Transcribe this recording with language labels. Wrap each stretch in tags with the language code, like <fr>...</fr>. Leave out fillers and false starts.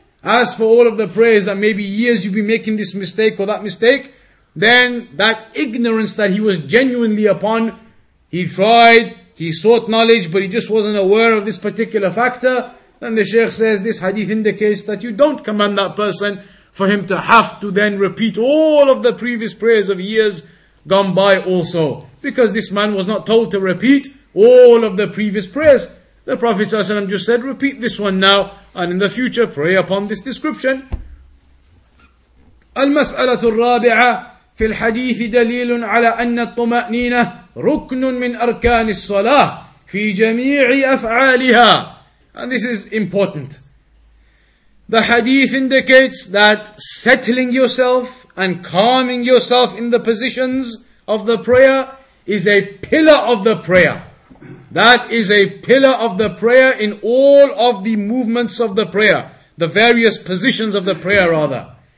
<en>As for all of the prayers that maybe years you've been making this mistake or that mistake, then that ignorance that he was genuinely upon, he tried, he sought knowledge, but he just wasn't aware of this particular factor, then the Shaykh says this hadith indicates that you don't command that person for him to have to then repeat all of the previous prayers of years gone by also. Because this man was not told to repeat all of the previous prayers. The Prophet ﷺ just said, repeat this one now, and in the future pray upon this description.</en> <ar>المسألة الرابعة في الحديث دليل على أن الطمأنينة ركن من أركان الصلاة في جميع أفعالها.</ar> <en>And this is important. The hadith indicates that settling yourself and calming yourself in the positions of the prayer is a pillar of the prayer. That is a pillar of the prayer in all of the movements of the prayer, the various positions of the prayer rather.</en>